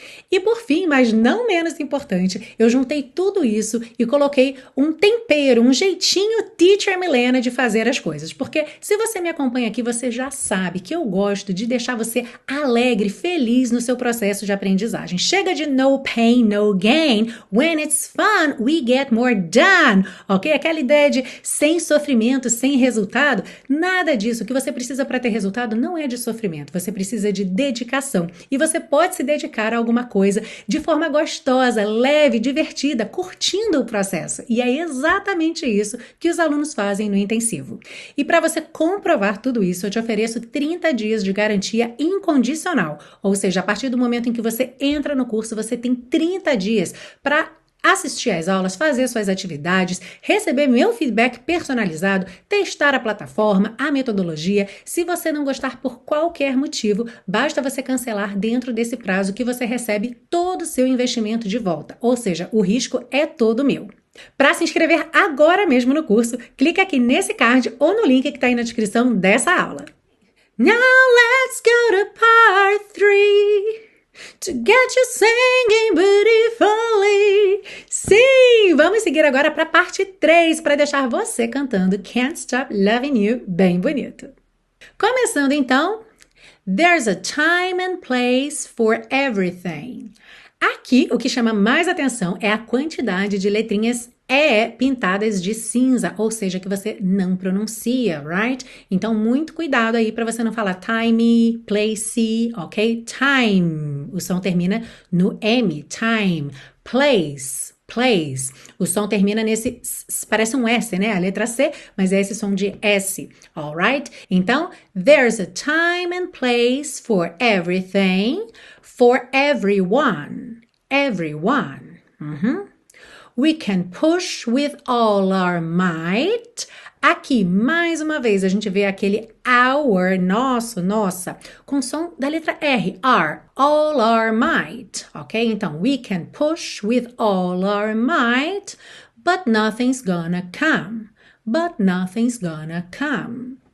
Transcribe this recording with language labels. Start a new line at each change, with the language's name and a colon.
Portuguese: E por fim, mas não menos importante, eu juntei tudo isso e coloquei um tempero, um jeitinho Teacher Milena de fazer as coisas. Porque se você me acompanha aqui, você já sabe que eu gosto de deixar você alegre, feliz no seu processo de aprendizagem. Chega de
English: no pain, no gain. When it's fun, we get more done.
Portuguese: Ok? Aquela ideia de sem sofrimento, sem resultado. Nada disso. O que você precisa para ter resultado não é de sofrimento. Você precisa de dedicação. E você pode se dedicar a alguma coisa de forma gostosa, leve, divertida, curtindo o processo. E é exatamente isso que os alunos fazem no intensivo. E para você comprovar tudo isso, eu te ofereço 30 dias de garantia incondicional. Ou seja, a partir do momento em que você entra no curso, você tem 30 dias para assistir às aulas, fazer suas atividades, receber meu feedback personalizado, testar a plataforma, a metodologia. Se você não gostar por qualquer motivo, basta você cancelar dentro desse prazo que você recebe todo o seu investimento de volta. Ou seja, o risco é todo meu. Para se inscrever agora mesmo no curso, clique aqui nesse card ou no link que está aí na descrição dessa aula.
English: Now let's go to part 3. To get you singing beautifully.
Portuguese: Sim, vamos seguir agora para a parte 3 para deixar você cantando Can't Stop Loving You bem bonito. Começando então,
English: There's a time and place for everything.
Portuguese: Aqui, o que chama mais atenção é a quantidade de letrinhas E pintadas de cinza, ou seja, que você não pronuncia, right? Então, muito cuidado aí para você não falar timey, placey, ok? Time, o som termina no M, time. Place, place, o som termina nesse, parece um S, né? A letra C, mas é esse som de S, alright?
English: Então, there's a time and place for everything, for everyone, everyone. Uhum. We can push with all our might.
Portuguese: Aqui, mais uma vez, a gente vê aquele our, nosso, nossa, com som da letra R, our,
English: all our might,
Portuguese: ok?
English: Então, we can push with all our might, but nothing's gonna come, but nothing's gonna come.